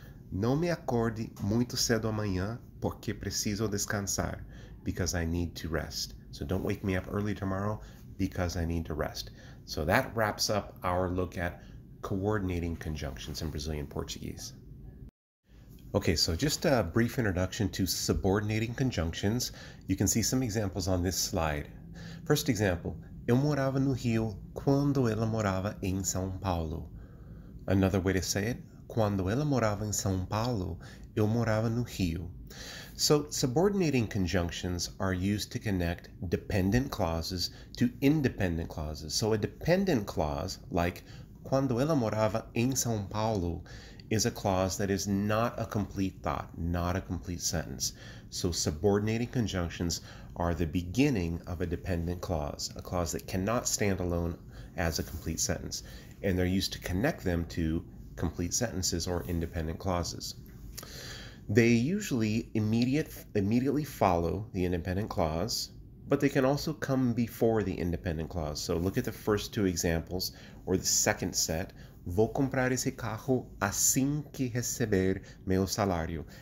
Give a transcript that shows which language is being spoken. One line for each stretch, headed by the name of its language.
Portuguese: Não me acorde muito cedo amanhã, porque preciso descansar.
English: Because I need to rest. So don't wake me up early tomorrow, because I need to rest. So that wraps up our look at coordinating conjunctions in Brazilian Portuguese. Okay, so just a brief introduction to subordinating conjunctions. You can see some examples on this slide. First example,
Portuguese: eu morava no Rio quando ela morava em São Paulo.
English: Another way to say it,
Portuguese: quando ela morava em São Paulo, eu morava no Rio.
English: So, subordinating conjunctions are used to connect dependent clauses to independent clauses. So, a dependent clause, like
Portuguese: quando ela morava em São Paulo,
English: is a clause that is not a complete thought, not a complete sentence. So, subordinating conjunctions are the beginning of a dependent clause, a clause that cannot stand alone as a complete sentence. And they're used to connect them to complete sentences or independent clauses. They usually immediately follow the independent clause, but they can also come before the independent clause. So look at the first two examples, or the second set.
Portuguese: Vou comprar esse carro assim que receber meu salário.